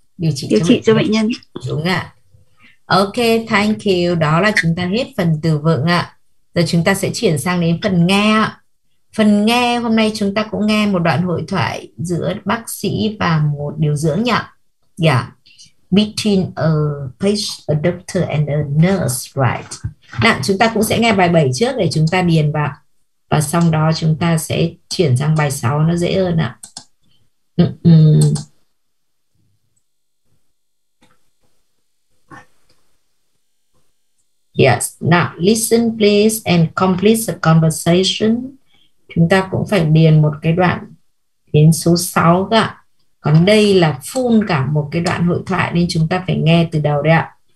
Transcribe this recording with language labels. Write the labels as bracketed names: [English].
[Vietnamese] điều trị cho bệnh nhân, đúng ạ. [English] Ok, thank you. [Vietnamese] Đó là chúng ta hết phần từ vựng ạ. Giờ chúng ta sẽ chuyển sang đến phần nghe ạ. Phần nghe hôm nay chúng ta cũng nghe một đoạn hội thoại giữa bác sĩ và một điều dưỡng nhỉ? [English] Yeah. Between a patient, a doctor and a nurse, right? [Vietnamese] Nào, chúng ta cũng sẽ nghe bài 7 trước để chúng ta điền vào. Và sau đó chúng ta sẽ chuyển sang bài 6 nó dễ hơn ạ. [English] Yes, now listen please and complete the conversation. [Vietnamese] Chúng ta cũng phải điền một cái đoạn đến số 6 cả. Còn đây là full cả một cái đoạn hội thoại nên chúng ta phải nghe từ đầu đấy ạ.